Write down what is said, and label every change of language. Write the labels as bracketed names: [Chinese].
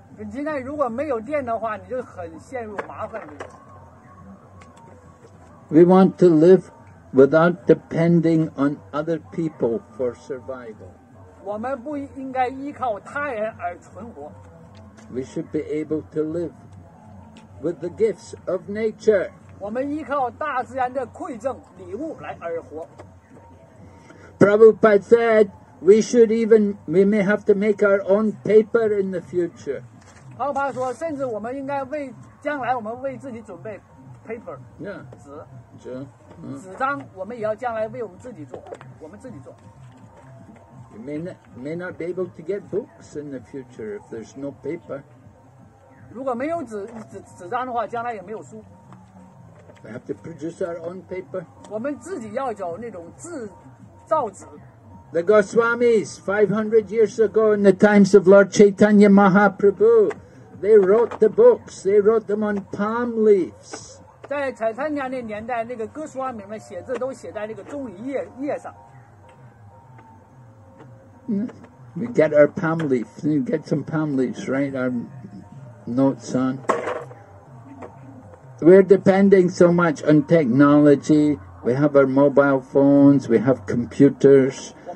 [Chinese] 今天如果没有电的话，你就很陷入麻烦里。 [English] We want to live without depending on other people for survival. [Chinese] 我们不应该依靠他人而存活。 [English] We should be able to live with the gifts of nature. [Chinese] 我们依靠大自然的馈赠礼物来而活。Prabhupada [English] said, we may have to make our own paper in the future. [Chinese] Prabhupada 说，甚至我们应该为将来我们为自己准备paper. [English] Yeah. [Chinese] 纸. 纸张, 我们也要将来为我们自己做, 我们自己做. [English] You may not be able to get books in the future if there's no paper. [Chinese] 如果没有纸张的话, 将来也没有书. [English] We have to produce our own paper. [Chinese] 我们自己要找那种制造纸. [English] The Goswamis, 500 years ago in the times of Lord Chaitanya Mahaprabhu, they wrote the books, they wrote them on palm leaves. [Chinese] 在彩灿娘那年代, 那个哥斯瓦米们写字都写在那个棕榈叶上。 [English] We get our palm leaves, we get some palm leaves, write our notes on. We're depending so much on technology, we have our mobile phones, we have computers.